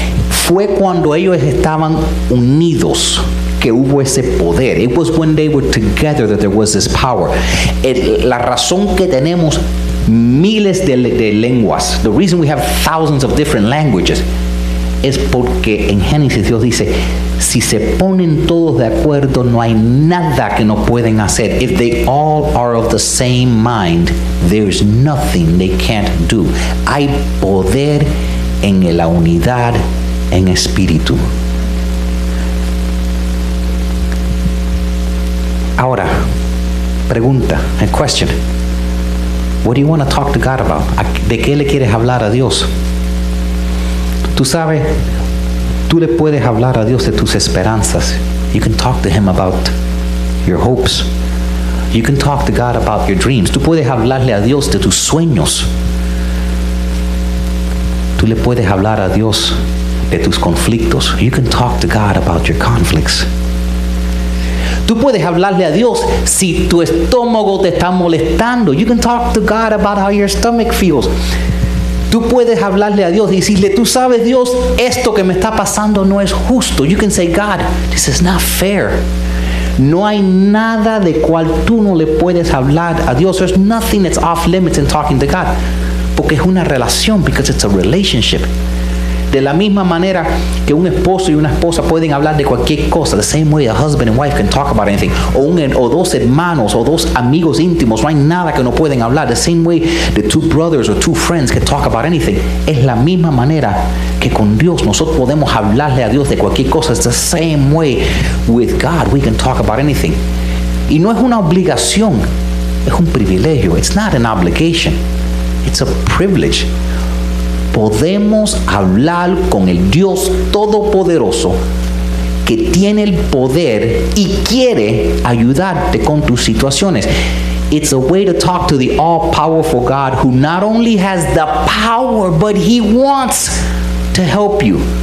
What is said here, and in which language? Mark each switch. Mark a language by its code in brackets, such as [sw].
[es] Fue cuando ellos estaban unidos que hubo ese poder. [en] It was when they were together that there was this power. [es] La razón que tenemos miles de lenguas, [en] the reason we have thousands of different languages, [es] es porque en Génesis Dios dice, si se ponen todos de acuerdo, no hay nada que no pueden hacer. [en] If they all are of the same mind, there's nothing they can't do. [es] Hay poder en la unidad en espíritu. Ahora, pregunta, [en] a question. What do you want to talk to God about? [es] ¿De qué le quieres hablar a Dios? Tú sabes, tú le puedes hablar a Dios de tus esperanzas. [en] You can talk to Him about your hopes. You can talk to God about your dreams. [es] Tú puedes hablarle a Dios de tus sueños. Tú le puedes hablar a Dios de tus conflictos. [en] You can talk to God about your conflicts. [es] Tú puedes hablarle a Dios si tu estómago te está molestando. [en] You can talk to God about how your stomach feels. [es] Tú puedes hablarle a Dios y decirle, tú sabes, Dios, esto que me está pasando no es justo. [en] You can say, God, this is not fair. [es] No hay nada de cual tú no le puedes hablar a Dios. [en] There's nothing that's off limits in talking to God. [es] Porque es una relación, [en] because it's a relationship. [es] De la misma manera que un esposo y una esposa pueden hablar de cualquier cosa. [en] The same way a husband and wife can talk about anything. [es] O dos hermanos o dos amigos íntimos. No hay nada que no pueden hablar. [en] The same way the two brothers or two friends can talk about anything. [es] Es la misma manera que con Dios nosotros podemos hablarle a Dios de cualquier cosa. [en] It's the same way with God. We can talk about anything. [es] Y no es una obligación. Es un privilegio. [en] It's not an obligation. It's a privilege. [es] Podemos hablar con el Dios Todopoderoso que tiene el poder y quiere ayudarte con tus situaciones. [en] It's a way to talk to the all-powerful God who not only has the power, but he wants to help you.